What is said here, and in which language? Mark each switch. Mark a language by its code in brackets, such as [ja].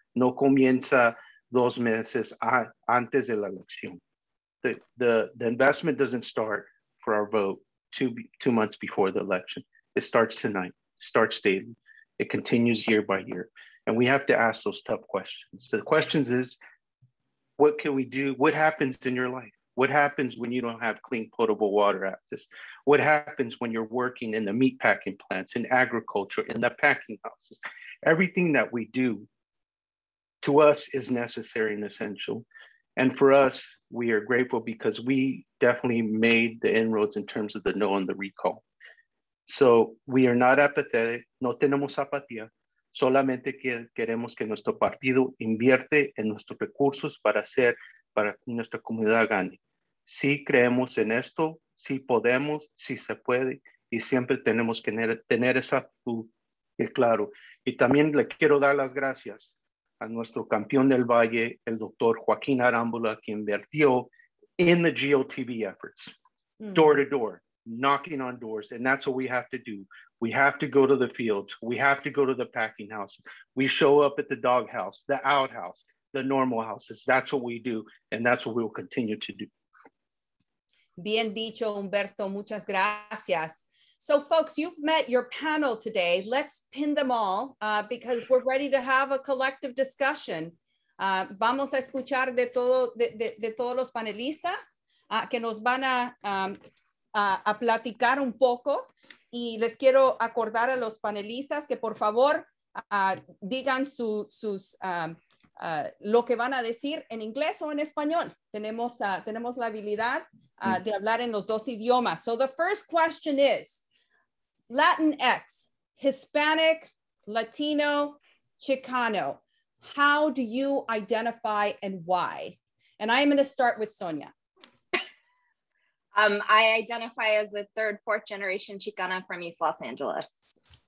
[es] No comienza dos meses antes de la elección. [en] The investment doesn't start for our vote two months before the election. It starts tonight, starts daily. It continues year by year. And we have to ask those tough questions. So the questions is, what can we do? What happens in your life? What happens when you don't have clean potable water access? What happens when you're working in the meat packing plants, in agriculture, in the packing houses? Everything that we do to us is necessary and essential. And for us, we are grateful because we definitely made the inroads in terms of the no and the recall. So we are not apathetic. [es] No tenemos apatía. Solamente queremos que nuestro partido invierte en nuestros recursos para que nuestra comunidad gane. Sí creemos en esto, sí podemos, sí se puede, y siempre tenemos que tener esa actitud, claro. Y también le quiero dar las gracias a nuestro campeón del Valle, el doctor Joaquín Arámbula, que invirtió [en] in the GOTV efforts, door to door, knocking on doors, and that's what we have to do. We have to go to the fields, we have to go to the packing house, we show up at the dog house, the outhouse, the normal houses. That's what we do, and that's what we will continue to do. [es] Bien dicho, Humberto. Muchas gracias. [en] So, folks, you've met your panel today. Let's pin them all because we're ready to have a collective discussion. [es] Vamos a escuchar de todos los panelistas que nos van a platicar un poco. Y les quiero acordar a los panelistas que, por favor, digan lo que van a decir en inglés o en español. Tenemos la habilidad de hablar en los dos idiomas. [en] So the first question is, Latinx, Hispanic, Latino, Chicano, how do you identify and why? And I am going to start with Sonia. I identify as a third, fourth generation Chicana from East Los Angeles.